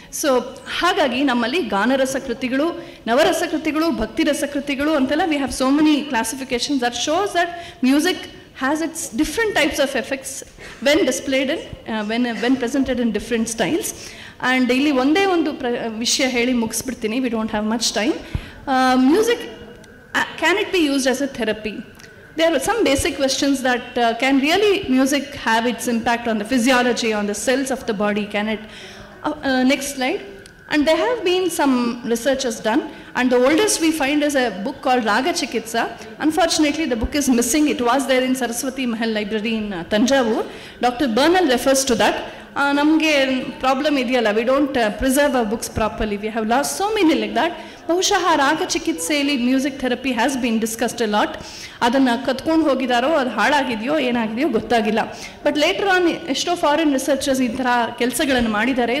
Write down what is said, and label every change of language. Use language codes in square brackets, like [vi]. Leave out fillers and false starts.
[en] So, [kn] ಹಾಗಾಗಿ ನಮ್ಮಲ್ಲಿ ಗಾನರಸ ಕೃತಿಗಳು, ನವರಸ ಕೃತಿಗಳು, ಭಕ್ತಿ ರಸ ಕೃತಿಗಳು ಅಂತೆಲ್ಲ [en] We have so many classifications that shows that music has its different types of effects when displayed in when presented in different styles. [kn] And ಇಲ್ಲಿ ಒಂದೇ ಒಂದು ವಿಷಯ ಹೇಳಿ ಮುಗಿಸ್ಬಿಡ್ತೀನಿ, [en] We don't have much time. Music can it be used as a therapy? There are some basic questions that can really music have its impact on the physiology, on the cells of the body, can it? Next slide. And there have been some researches done, and the oldest we find is a book called Raga Chikitsa. Unfortunately, the book is missing. It was there in Saraswati Mahal Library in Tanjavur. Dr. Bernal refers to that. [kn] Namge problem idiyala, [en] we don't preserve our books properly. We have lost so many like that. [kn] ಬಹುಶಃ ರಾಗ ಚಿಕಿತ್ಸೆಯಲ್ಲಿ [en] Music therapy has been discussed a lot. [kn] ಅದನ್ನು ಕತ್ಕೊಂಡು ಹೋಗಿದಾರೋ, ಅದು ಹಾಳಾಗಿದೆಯೋ, ಏನಾಗಿದೆಯೋ ಗೊತ್ತಾಗಿಲ್ಲ. [en] but later on [kn] ಎಷ್ಟೋ foreign researchers ಈ ಥರ ಕೆಲಸಗಳನ್ನು ಮಾಡಿದ್ದಾರೆ.